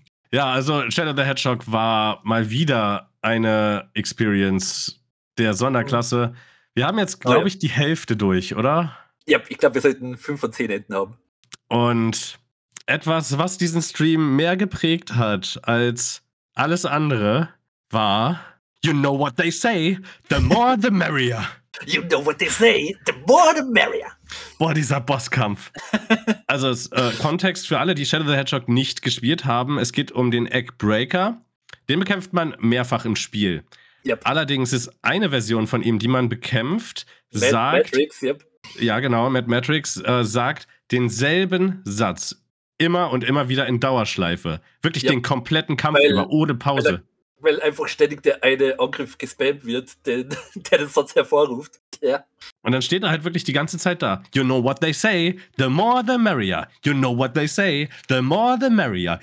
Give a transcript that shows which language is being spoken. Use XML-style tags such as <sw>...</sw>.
<de>Ja, also Shadow the Hedgehog war mal wieder eine Experience der Sonderklasse. Wir haben jetzt, glaube ich, die Hälfte durch, oder? Ja, ich glaube, wir sollten 5 von 10 Enden haben. Und... Etwas, was diesen Stream mehr geprägt hat als alles andere war...</de> <en>You know what they say, the more the merrier. You know what they say, the more the merrier.</en> <de>Boah, dieser Bosskampf. Also, Kontext für alle, die Shadow the Hedgehog nicht gespielt haben. Es geht um den Eggbreaker. Den bekämpft man mehrfach im Spiel. Yep. Allerdings ist eine Version von ihm, die man bekämpft, sagt denselben Satz. Immer und immer wieder in Dauerschleife. Wirklich den kompletten Kampf über, ohne Pause. Weil einfach ständig der eine Angriff gespammt wird, der den Satz hervorruft. Ja. Und dann steht er halt wirklich die ganze Zeit da.</de> <en>You know what they say, the more the merrier. You know what they say, the more the merrier.</en>